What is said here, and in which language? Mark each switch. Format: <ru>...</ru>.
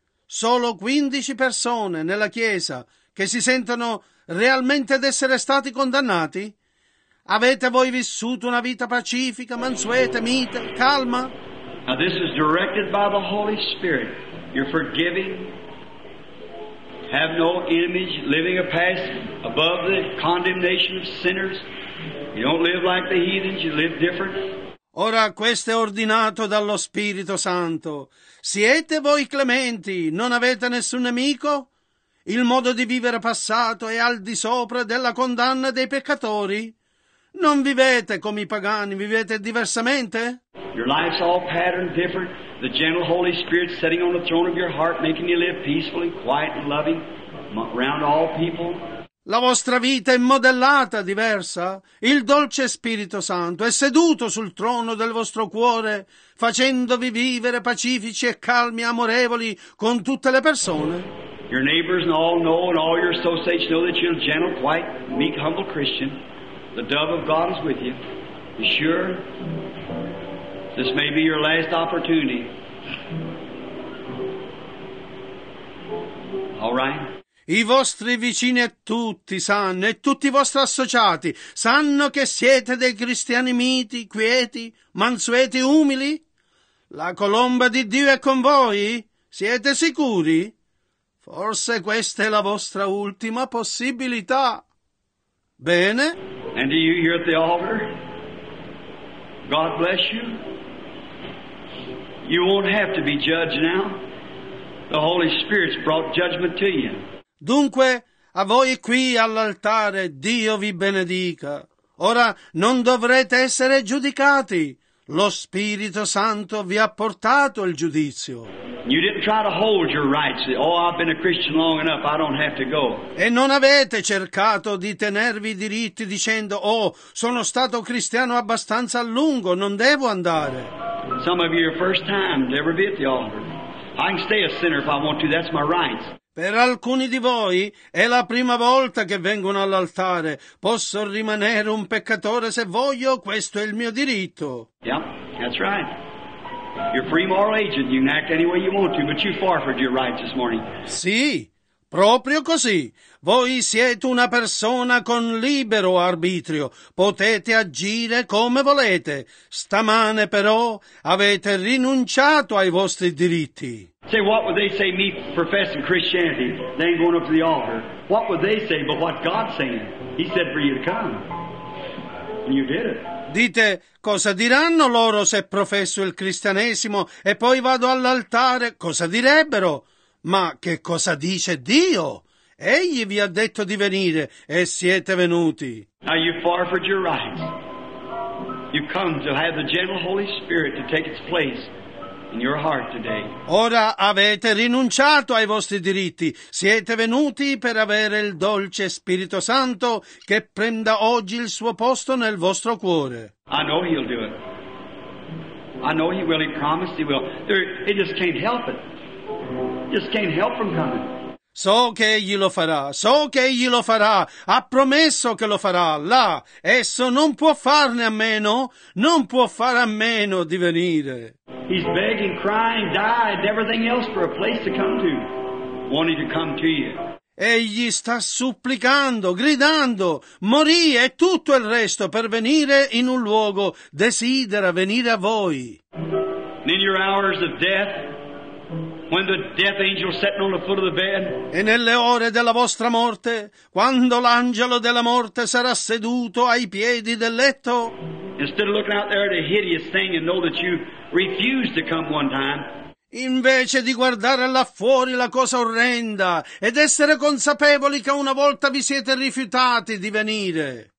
<it>Solo 15 persone nella chiesa che si sentono realmente d'essere stati condannati? Avete voi vissuto una vita pacifica, mansueta, mite, calma?</it> <en>Now this is directed by the Holy Spirit. You're forgiving. Have no image, living a past above the condemnation of sinners. You don't live like the heathens, you live different.</en> <it>Ora questo è ordinato dallo Spirito Santo. Siete voi clementi, non avete nessun nemico? Il modo di vivere passato è al di sopra della condanna dei peccatori? Non vivete come i pagani, vivete diversamente?</it> <en>Your life's all patterned different. The gentle Holy Spirit sitting on the throne of your heart, making you live peacefully, quiet and loving around all people.</en> <it>La vostra vita è modellata diversa. Il dolce Spirito Santo è seduto sul trono del vostro cuore, facendovi vivere pacifici e calmi, amorevoli con tutte le persone.</it> <en>Your neighbors and all know, and all your associates know that you're a gentle, quiet, meek, humble Christian. The dove of God is with you. You sure? This may be your last opportunity. All right?</en> <it>I vostri vicini e tutti sanno, e tutti i vostri associati, sanno che siete dei cristiani miti, quieti, mansueti, umili? La colomba di Dio è con voi? Siete sicuri? Forse questa è la vostra ultima possibilità. Bene?</it> <en>And to you here at the altar, God bless you. You won't have to be judged now. The Holy Spirit's brought judgment to you.</en> <it>Dunque, a voi qui all'altare, Dio vi benedica. Ora non dovrete essere giudicati. Lo Spirito Santo vi ha portato il giudizio.</it> <en>You didn't try to hold your rights. Oh, I've been a Christian long enough, I don't have to go.</en> <it>E non avete cercato di tenervi i diritti dicendo, oh, sono stato cristiano abbastanza a lungo, non devo andare.</it> <en>Some of you are first time to ever be at the altar. I can stay a sinner if I want to, that's my rights.</en> <it>Per alcuni di voi è la prima volta che vengono all'altare. Posso rimanere un peccatore se voglio, questo è il mio diritto.</it> <en>Yeah, that's right. You're a free moral agent, you can act any way you want to, but you forfeited your rights this morning.</en> <it>Sì, proprio così. Voi siete una persona con libero arbitrio. Potete agire come volete. Stamane, però, avete rinunciato ai vostri diritti.</it> <en>Say, what would they say, me professing Christianity, then going up to the altar? What would they say but what God's saying? He said for you to come. And you did it.</en> <it>Dite, cosa diranno loro se professo il cristianesimo e poi vado all'altare? Cosa direbbero? Ma che cosa dice Dio? Egli vi ha detto di venire e siete venuti.</it> <en>Now you've forfeited your rights. You've come to have the gentle Holy Spirit to take its place. In your heart today.</en> <it>Ora avete rinunciato ai vostri diritti. Siete venuti per avere il dolce Spirito Santo che prenda oggi il suo posto nel vostro cuore.</it> <en>I know he'll do it. I know he will. He promised he will. He just can't help it. Just can't help from coming.</en> <it>So che egli lo farà, so che egli lo farà, ha promesso che lo farà, là, esso non può farne a meno, non può fare a meno di venire.</it> <en>He's begging, crying, died, everything else for a place to come to, wanting to come to you.</en> <it>Egli sta supplicando, gridando, morì e tutto il resto per venire in un luogo, desidera venire a voi.</it> <en>In your hours of death, when the death angel sitting on the foot of the bed.</en> <it>E nelle ore della vostra morte, quando l'angelo della morte sarà seduto ai piedi del letto.</it> <en>Instead of looking out there at a hideous thing and know that you refused to come one time.</en> <it>Invece di guardare là fuori la cosa orrenda ed essere consapevoli che una volta vi siete rifiutati di venire.</it>